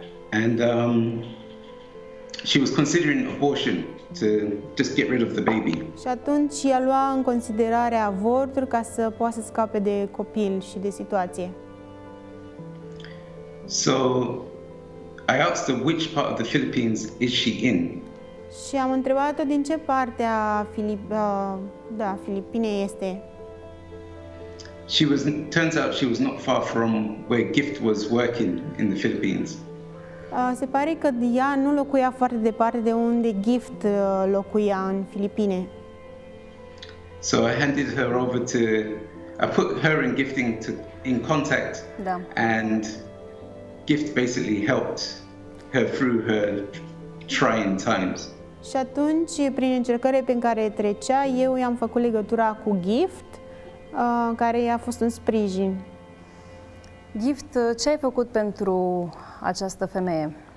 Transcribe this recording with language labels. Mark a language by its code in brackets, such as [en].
[en] And she was considering abortion to just get rid of the baby. [ro] Și atunci ea lua în considerare avortul ca să poată să scape de copil și de situație. [en] So I asked her which part of the Philippines is she in? [ro] Și am întrebat-o din ce parte a Filipinei este. [en] Turns out she was not far from where Gift was working in the Philippines. [ro] Se pare că ea nu locuia foarte departe de unde Gift locuia în Filipine. [en] So I handed her over to I put her and Gift in contact. [ro] Da. [en] And Gift basically helped her through her trying times. [ro] Și atunci prin încercările pe care trecea, eu i-am făcut legătura cu Gift, care i-a fost un sprijin. Gift, ce ai făcut pentru această femeie?